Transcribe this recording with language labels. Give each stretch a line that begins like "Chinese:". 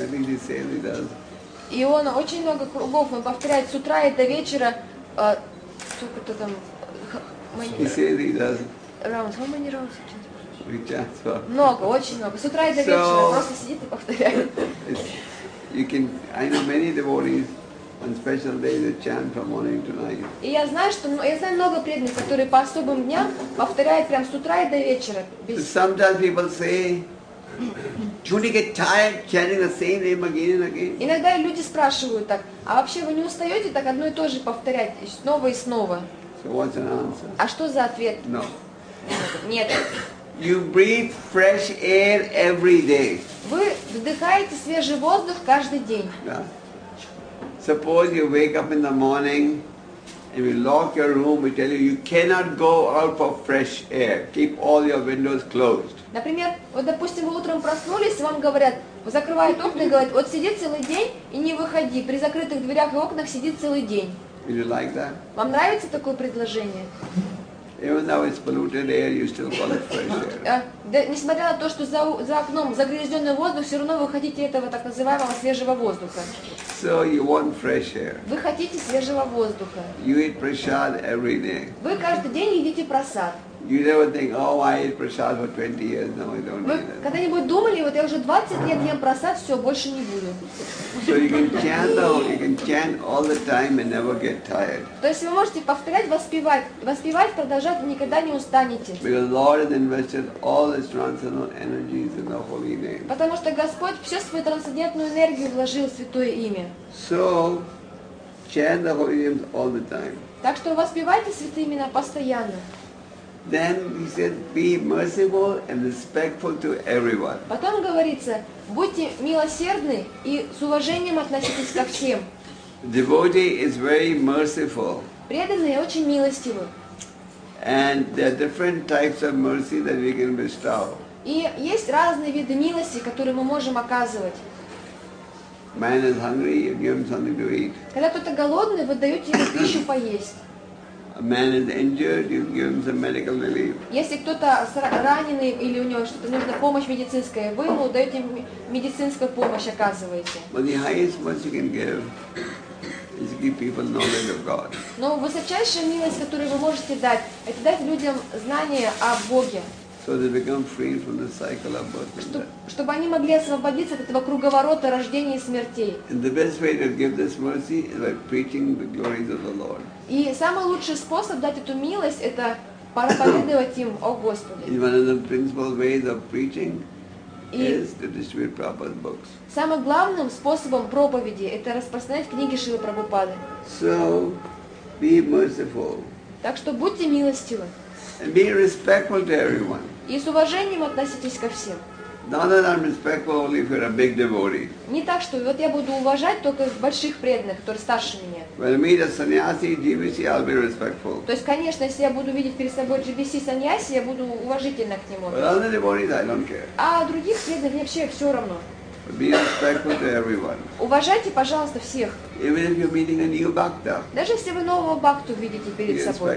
English: I think he says he does.
Russian: И он очень много кругов, он повторяет с утра и до вечера, сколько-то там...
English: He says he does. Rounds, how many rounds he chants?
Russian: Много, очень много. С утра и до вечера просто сидит и повторяет.
English: You can, I know many devotees on special days they chant from morning to night.
Russian: И я знаю много преданных, которые по особым дням повторяют прям с утра и до вечера.
English: Sometimes people say, "Don't you get tired chanting the same name again and again?"
Russian: Иногда люди спрашивают так: "А вообще вы не устаете так одно и то же повторять снова и снова?"
English: So what's an answer?
Russian: А что за ответ?
English: No.
Russian: Нет.
English: You breathe fresh air every day.
Russian: Вы вдыхаете свежий воздух каждый день.
English: Suppose you wake up in the morning and we lock your room, we tell you you cannot go out for fresh air. Keep all your windows closed.
Russian: Например, вот допустим, вы утром проснулись, вам говорят, закрывают окна, говорят, вот сиди целый день и не выходи. При закрытых дверях и окнах сидит целый день.
English: Would you like that?
Russian: Вам нравится такое предложение?
English: Even though it's polluted air, you still call it fresh air.
Russian: Несмотря на то, что за окном загрязненный воздух, все равно вы хотите этого так называемого свежего воздуха.
English: So you want fresh air.
Russian: Вы хотите свежего воздуха.
English: You eat prasad every day.
Russian: Вы каждый день едите прасад.
English: You never think, oh, I ate prasad for 20 years, no, I don't need it.
Russian: Когда-нибудь думали, вот я уже 20 лет ем прасад, все, больше не буду.
English: So you can chant all the time and never get tired.
Russian: То есть вы можете повторять, воспевать, продолжать, никогда не устанете.
English: Because the Lord has invested all His transcendental energies in the Holy Name.
Russian: Потому что Господь всю свою трансцендентную энергию вложил в Святое Имя.
English: So, chant the Holy Name all the time.
Russian: Так что воспевайте Святые Имена постоянно.
English: Then he said, be merciful and respectful to everyone.
Russian: Потом говорится, будьте милосердны и с уважением относитесь ко всем.
English: Devotee is very merciful.
Russian: Преданные очень милостивы.
English: And there are different types of mercy that we can bestow.
Russian: И есть разные виды милости, которые мы можем оказывать.
English: Man is hungry, you give him something to eat.
Russian: Когда кто-то голодный, вы даете ему пищу поесть.
English: Man is injured, you give him some medical relief.
Russian: Если кто-то раненый или у него что-то нужна помощь медицинская, вы ему даете медицинскую помощь, оказываете.
English: But the highest mercy you can give is to give people knowledge of God.
Russian: Но высочайшая милость, которую вы можете дать, это дать людям знание о Боге.
English: So they become free from the cycle of birth and death.
Russian: Чтобы они могли освободиться от этого круговорота рождения и смертей.
English: And the best way to give this mercy is by preaching the glories of the Lord.
Russian: И самый лучший способ дать эту милость – это проповедовать им о Господе.
English: One of the principal ways of preaching is to distribute Prabhupada's books.
Russian: Самым главным способом проповеди – это распространять книги Шрилы Прабхупады.
English: So, be merciful.
Russian: Так что будьте милостивы.
English: And be respectful to everyone.
Russian: И с уважением относитесь ко всем.
English: Not that I'm respectful only if you're a big devotee.
Russian: Не так, что вот я буду уважать только больших преданных, которые старше меня.
English: When I meet a sannyasi, GBC, I'll be respectful.
Russian: То есть, конечно, если я буду видеть перед собой GBC sannyasi, я буду уважительно к нему.
English: But other devotees, I don't care.
Russian: А других преданных мне вообще все равно.
English: Be respectful to everyone.
Russian: Уважайте, пожалуйста, всех.
English: Even if you're meeting a new bhakta.
Russian: Даже если вы нового бхакту видите перед
English: be
Russian: собой.